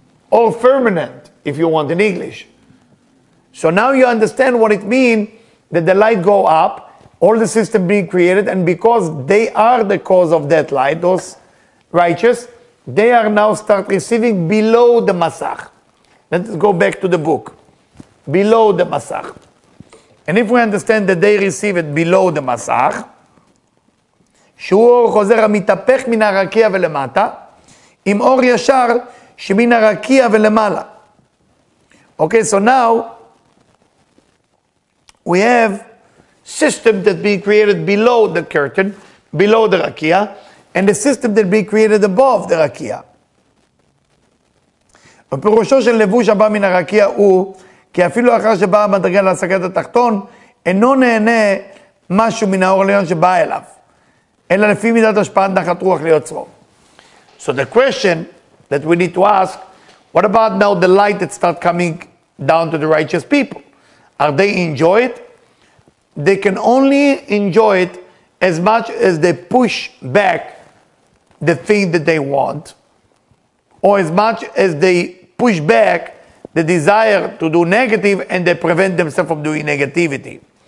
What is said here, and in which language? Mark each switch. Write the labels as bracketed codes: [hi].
[en] Or firmament, if you want in English. So now you understand what it means that the light go up, all the system being created, and because they are the cause of that light, those righteous, they are now start receiving below the masach. Let's go back to the book. Below the masach. And if we understand that they receive it below the masach, [he] שהוא אור חוזר המתהפך מן הרקיע ולמטה, עם אור ישר שמן הרקיע ולמעלה. [en] אוקיי, so now, we have system that being created below the curtain, below the rakia, and the system that being created above the rakia. [he] בפירושו של לבוש הבא מן הרקיע הוא, כי אפילו אחר שבא המדרגה להשגת התחתון, אינו נהנה משהו מן האור העליון שבא אליו, אלא לפי מידת השפעת נחת רוח ליוצרו. [en] So the question that we need to ask, what about now the light that start coming down to the righteous people? Are they enjoy it? They can only enjoy it as much as they push back the thing that they want, or as much as they push back the desire to do negative and they prevent themselves from doing negativity.